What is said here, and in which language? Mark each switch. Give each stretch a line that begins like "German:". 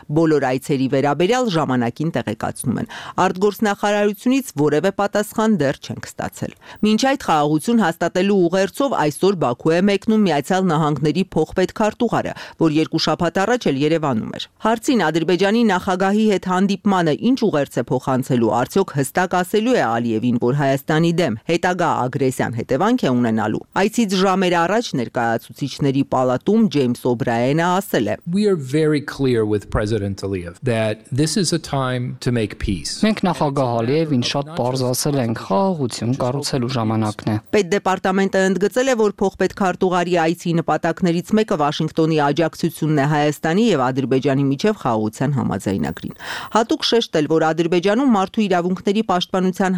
Armenian: բոլոր այցերի վերաբերյալ ժամանակին տեղեկացնում են։ Արտգործնախարարությունից որևէ պատասխան դեռ չենք ստացել։ Մինչ այդ խաղաղություն հաստատելու ուղերձով այսօր Բաքու է մեկնում Միացյալ Նահանգների փոխպետքարտուղարը, որ 2 շաբաթ առաջ էլ Երևանում էր։ Հարցին Ադրբեջանի նախագահի հետ հանդիպմանը ինչ ուղերձ է փոխանցելու, արդյոք հստակ ասելու է Ալիևին, որ Հայաստանի դեմ հետագա ագրեսիան հետևանք է ունենալու։ Այսից ժամեր առաջ ներկայացուցիչների պալատում Ջեյմս Օ'Բրայենը ասել է.
English: We are very clear with President Aliyev that this is a time to make peace.
Armenian: Մենք նախագահ Ալիևին շատ պարզ ասել ենք, խաղաղություն կառուցելու ժամանակն է։ Պետդեպարտամենտը ընդգծել է, որ փոխպետքարտուղարի այցի նպատակներից մեկը Վաշինգտոնի աջակցությունն է Հայաստանի եւ Ադրբեջանի միջև խաղաղության համաձայնագրին։ Հատուկ շեշտել, որ Ադրբեջանում մարդու իրավունքների պաշտպանության